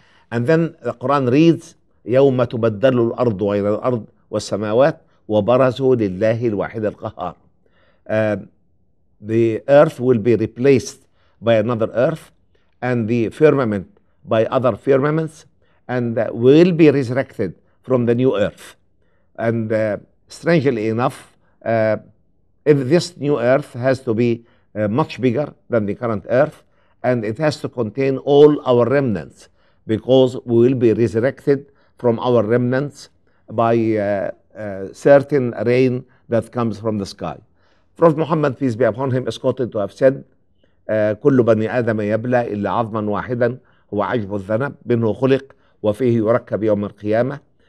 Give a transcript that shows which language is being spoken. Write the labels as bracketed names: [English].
[English] And then the Quran reads, [Arabic] يوم تبدل الأرض غير الأرض والسماوات وبرزوا لله الواحد القهار. [English] The earth will be replaced by another earth and the firmament by other firmaments and will be resurrected from the new earth. And strangely enough, if this new earth has to be much bigger than the current earth and it has to contain all our remnants because we will be resurrected from our remnants by certain rain that comes from the sky. Prophet Muhammad, peace be upon him, is quoted to have said, [Arabic] كل بني آدم يبلى إلا عظما واحدا هو عجب الذنب منه خلق وفيه يركب يوم القيامة.